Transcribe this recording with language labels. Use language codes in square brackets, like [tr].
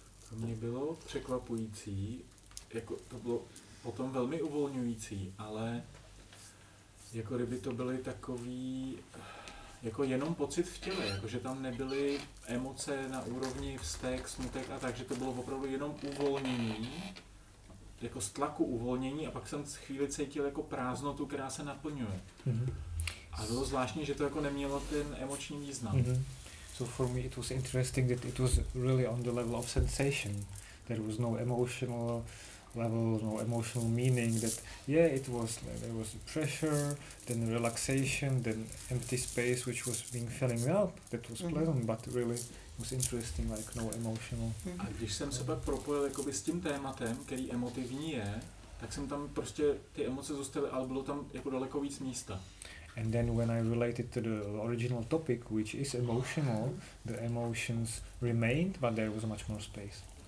[cs] To mě bylo překvapující, jako to bylo potom velmi uvolňující, ale jako kdyby to byly takový jako jenom pocit v těle, jako že tam nebyly emoce na úrovni vztek, smutek a tak, že to bylo opravdu jenom uvolnění, jako z tlaku uvolnění a pak jsem chvíli cítil jako prázdnotu, která se naplňuje. A bylo zvláštní, že to jako nemělo ten emoční význam. [en] So for me it was interesting that it was really on the level of sensation. There was no emotional level, no emotional meaning, that yeah, it was like there was a pressure, then relaxation, then empty space which was being filling up, that was pleasant, but really it was interesting, like no emotional. [cs] A když jsem se pak propojil jakoby s tím tématem, který emotivní je, tak jsem tam prostě ty emoce zůstaly, ale bylo tam jako daleko víc místa. [en] And then when I related to the original topic, which is emotional, the emotions remained, but there was much more space.